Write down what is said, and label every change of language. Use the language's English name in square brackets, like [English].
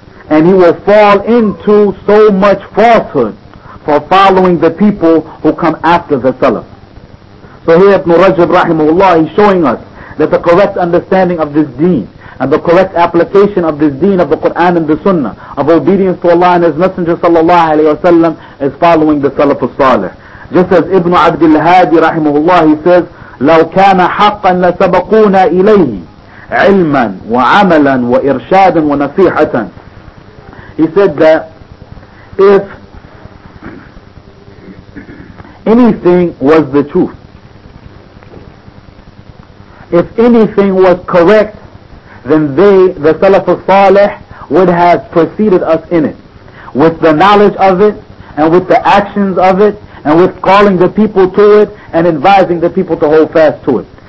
[English] And he will fall into so much falsehood for following the people who come after the Salaf. So here Ibn Rajab rahimahullah, he's showing us that the correct understanding of this deen and the correct application of this deen of the Quran and the Sunnah, of obedience to Allah and His Messenger sallallahu alayhi wa sallam, is following the Salaf al-Salih. Just as Ibn Abdul Hadi rahimahullah, he says, [Arabic] لَوْ كَانَ حَقًّا لَسَبَقُونَ إِلَيْهِ عِلْمًا وَعَمَلًا وَإِرْشَادًا وَنَصِيحَةً. [English] He said that if anything was the truth, if anything was correct, then they, the Salaf al-Salih, would have preceded us in it, with the knowledge of it, and with the actions of it, and with calling the people to it, and advising the people to hold fast to it.